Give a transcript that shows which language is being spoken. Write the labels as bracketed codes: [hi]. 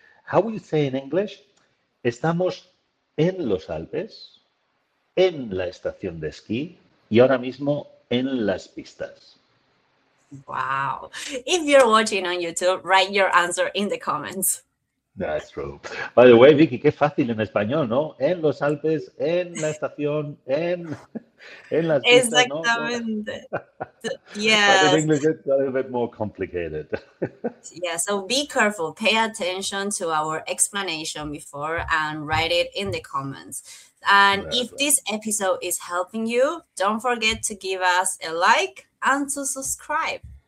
[en] How would you say in English, [es] estamos en los Alpes, en la estación de esquí, y ahora mismo en las pistas? [en] Wow. If you're watching on YouTube, write your answer in the comments. That's true. By the way, Vicky, [es] qué fácil en español, ¿no? En los Alpes, en la estación, en las pistas. Exactamente. ¿No? [en] Yes. But in English, it's a little bit more complicated. Yeah, so be careful. Pay attention to our explanation before and write it in the comments. And exactly. If this episode is helping you, don't forget to give us a like and to subscribe.